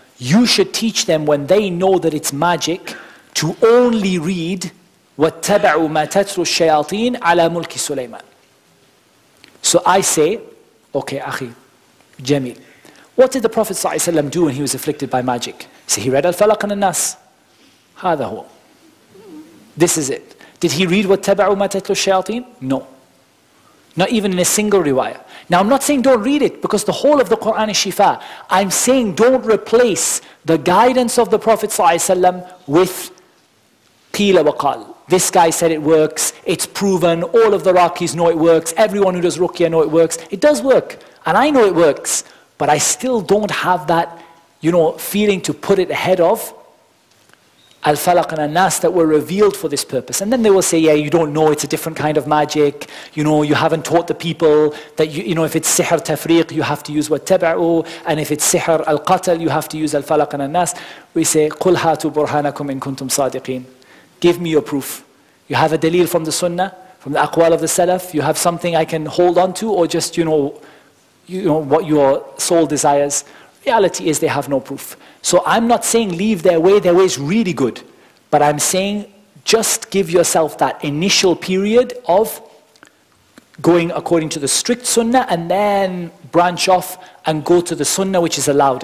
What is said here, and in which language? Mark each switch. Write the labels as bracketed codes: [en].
[en] You should teach them when they know that it's magic to only read [ar] وَاتَّبَعُوا مَا تَتْرُ الشَّيَاطِينَ عَلَى مُلْكِ سُلَيْمَانَ. [en] So I say, okay, akhi, Jamil, what did the Prophet ﷺ do when he was afflicted by magic? So he read Al-Falaq and Al-Nas. [ar] هذا هو. [en] This is it. Did he read [ar] وَاتَّبَعُوا مَا تَتْلُوا الشَّيَاطِينَ? [en] No. Not even in a single riwayah. Now I'm not saying don't read it, because the whole of the Quran is shifa. I'm saying don't replace the guidance of the Prophet ﷺ with [ar] قِيلَ وَقَالَ. [en] This guy said it works, it's proven, all of the Raqis know it works, everyone who does Ruqyah know it works. It does work, and I know it works, but I still don't have that, you know, feeling to put it ahead of Al-Falaq and Al-Nas that were revealed for this purpose. And then they will say, yeah, you don't know, it's a different kind of magic. You know, you haven't taught the people that, you know, if it's sihr tafriq, you have to use wattaba'u, and if it's sihr al-qatal, you have to use Al-Falaq and Al-Nas. We say, [ar] قُلْ هَاتُوا بُرْهَانَكُمْ إِن كُنْتُمْ صَادِقِينَ. [en] Give me your proof. You have a dalil from the sunnah, from the aqwal of the salaf, you have something I can hold on to, or just, you know what your soul desires. Reality is they have no proof. So I'm not saying leave their way is really good. But I'm saying just give yourself that initial period of going according to the strict sunnah, and then branch off and go to the sunnah which is allowed.